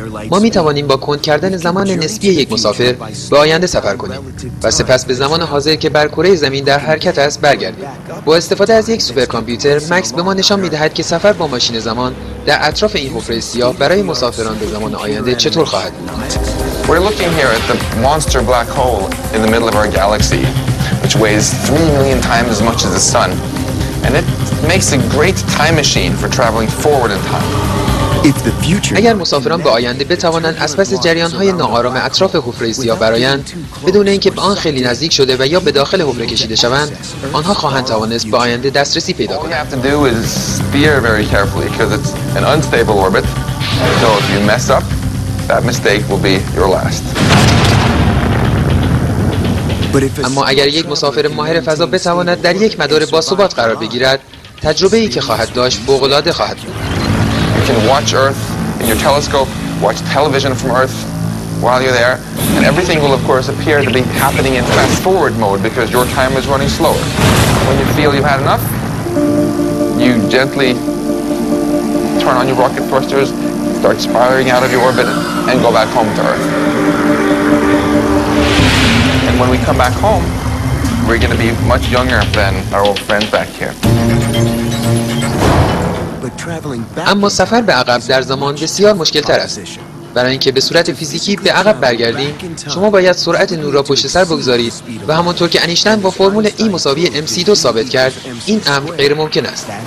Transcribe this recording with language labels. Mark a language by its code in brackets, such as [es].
[fa] ما می توانیم با کند کردن زمان نسبی یک مسافر به آینده سفر کنیم و سپس به زمان حاضر که بر کره زمین در حرکت است برگردیم. با استفاده از یک سوپر کامپیوتر، مکس به ما نشان می دهد که سفر با ماشین زمان در اطراف این حفره سیاه برای مسافران به زمان آینده چطور خواهد بود. [en] We're looking here at the monster black hole in the middle of our galaxy, which weighs 3 million times as much as the sun, and it makes a great time machine for traveling forward in time. [fa] اگر مسافران به آینده بتوانند از پس جریان‌های ناآرام اطراف حفره سیاه برآیند بدون اینکه به آن خیلی نزدیک شده و یا به داخل حفره کشیده شوند، آنها خواهند توانست به آینده دسترسی پیدا کنند. اما اگر یک مسافر ماهر فضا بتواند در یک مدار باثبات قرار بگیرد، تجربه‌ای که خواهد داشت فوق‌العاده خواهد بود. [en] And watch Earth in your telescope, watch television from Earth while you're there, and everything will of course appear to be happening in fast forward mode because your time is running slower. When you feel you've had enough, you gently turn on your rocket thrusters, start spiraling out of your orbit, and go back home to Earth. And when we come back home, we're going to be much younger than our old friends back here. [fa] اما سفر به عقب در زمان بسیار مشکل تر است. برای اینکه به صورت فیزیکی به عقب برگردیم، شما باید سرعت نور را پشت سر بگذارید و همانطور که انیشتن با فرمول E مساوی MC2 ثابت کرد، این امر غیر ممکن است.